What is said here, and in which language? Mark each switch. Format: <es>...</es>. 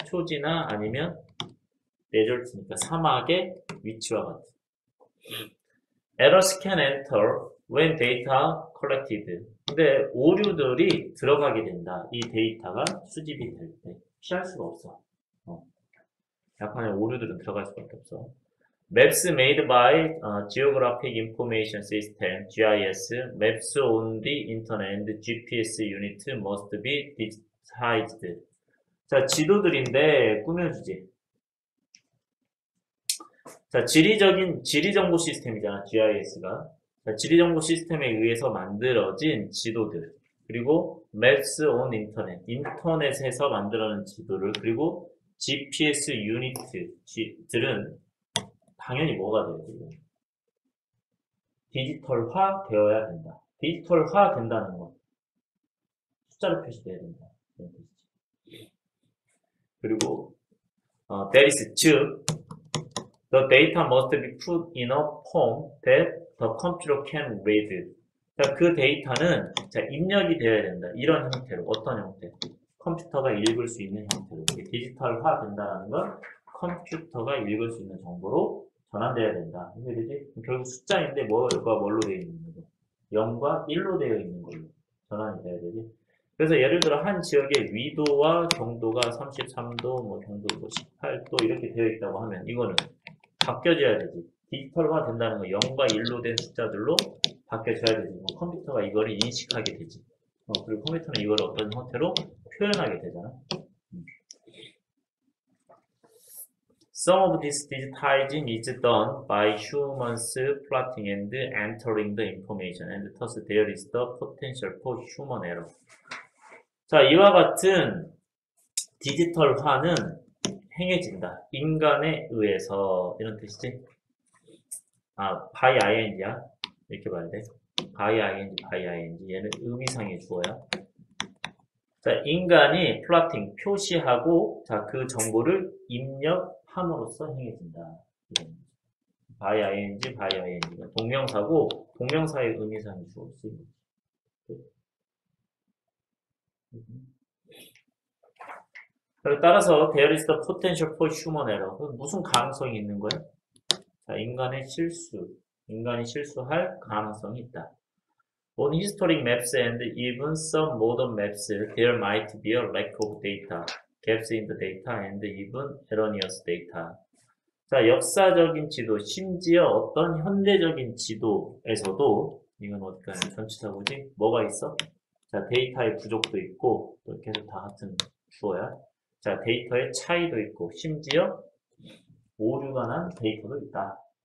<ko>초지나 아니면 desert니까 사막의 위치와 같은.</ko> <en>Errors can enter when data collected.</en> <ko>근데 오류들이 들어가게 된다. 이 데이터가 수집이 될 때. 피할 수가 없어. 약간의 오류들은 들어갈 수 밖에 없어.</ko> <en>Maps made by Geographic Information System, GIS, Maps on the Internet, and GPS unit must be digitized.</en> <ko>자, 지도들인데 꾸며주지. 자, 지리적인, 지리정보 시스템이잖아, GIS가. 자, 지리정보 시스템에 의해서 만들어진 지도들. 그리고</ko> <en>Maps on Internet,</en> <ko>인터넷에서 만들어낸 지도를, 그리고 GPS unit들은 당연히 뭐가 돼요, 지금? 디지털화 되어야 된다. 디지털화 된다는 건 숫자로 표시되어야 된다.</ko> <en>그리고, that is,</en> <ko>즉,</ko> <en>the data must be put in a form that the computer can read.</en> <ko>자, 그 데이터는 자, 입력이 되어야 된다. 이런 형태로. 어떤 형태? 컴퓨터가 읽을 수 있는 형태로. 디지털화 된다는 건 컴퓨터가 읽을 수 있는 정보로 전환되어야 된다. 이게 되지? 결국 숫자인데, 뭐가 뭘로 되어 있는 거? 0과 1로 되어 있는 걸로 전환이 돼야 되지. 그래서 예를 들어, 한 지역의 위도와 경도가 33도, 뭐, 경도 뭐 18도, 이렇게 되어 있다고 하면, 이거는 바뀌어져야 되지. 디지털화 된다는 건 0과 1로 된 숫자들로 바뀌어져야 되지. 뭐 컴퓨터가 이걸 인식하게 되지. 그리고 컴퓨터는 이걸 어떤 형태로 표현하게 되잖아.</ko> <en>Some of this digitizing is done by humans plotting and entering the information and thus there is the potential for human error.</en> <ko>자, 이와 같은 디지털화는 행해진다. 인간에 의해서 이런 뜻이지? 아, by ing야. 이렇게 봐야 돼. by ing. 얘는 의미상의 주어야. 자, 인간이 plotting, 표시하고 자, 그 정보를 입력 함으로써 행해진다. by ing, by ing. 동명사고, 동명사의 의미상이 주어지. 그리고 따라서,</ko> <en>there is the potential for human error.</en> <ko>무슨 가능성이 있는 거야? 자, 인간의 실수. 인간이 실수할 가능성이 있다.</ko> <en>On historic maps and even some modern maps, there might be a lack of data. gaps in the data and even erroneous data.</en> <ko>자, 역사적인 지도, 심지어 어떤 현대적인 지도에서도, 이건 어디까지 전치사고지? 뭐가 있어? 자, 데이터의 부족도 있고, 또 계속 다 같은 주어야. 자, 데이터의 차이도 있고, 심지어 오류가 난 데이터도 있다.</ko>